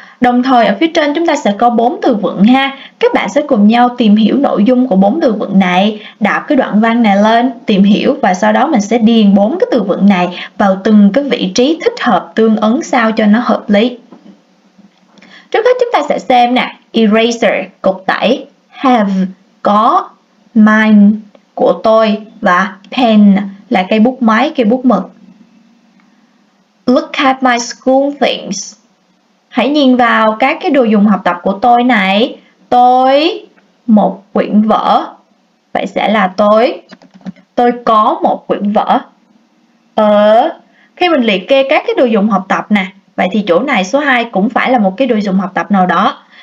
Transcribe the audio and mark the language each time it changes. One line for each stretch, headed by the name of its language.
Vietnamese: Đồng thời ở phía trên chúng ta sẽ có 4 từ vựng ha. Các bạn sẽ cùng nhau tìm hiểu nội dung của 4 từ vựng này, đọc cái đoạn văn này lên, tìm hiểu và sau đó mình sẽ điền 4 cái từ vựng này vào từng cái vị trí thích hợp tương ứng sao cho nó hợp lý. Trước hết chúng ta sẽ xem nè, eraser, cục tẩy, have, có, mine, của tôi và pen là cây bút máy, cây bút mực.
English: Look at my school things.
Vietnamese: Hãy nhìn vào các cái đồ dùng học tập của tôi này. Tôi một quyển vở. Vậy sẽ là tôi. Tôi có một quyển vở. Khi mình liệt kê các cái đồ dùng học tập nè, vậy thì chỗ này số 2 cũng phải là một cái đồ dùng học tập nào đó.